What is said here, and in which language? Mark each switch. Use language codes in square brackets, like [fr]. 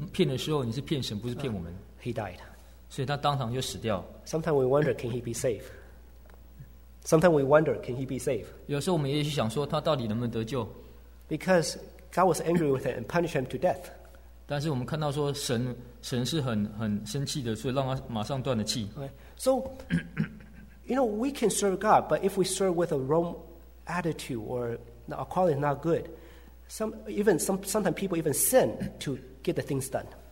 [zh] 你奉献的是要给神，不是给人，所以你骗的时候，你是骗神，不是骗我们。 [en] He died. [zh] 所以他当场就死掉。 [en] Sometimes we wonder, can he be safe? Sometimes we wonder, can he be safe? [zh] 有时候我们也许想说，他到底能不能得救？ [en] Because God was angry with him and punished him to death. [zh] 但是我们看到说神是很生气的，所以让他马上断了气。 [en] Okay. So, you know, we can serve God, but if we serve with a wrong attitude or our quality is not good, sometimes people even sin to get the things done.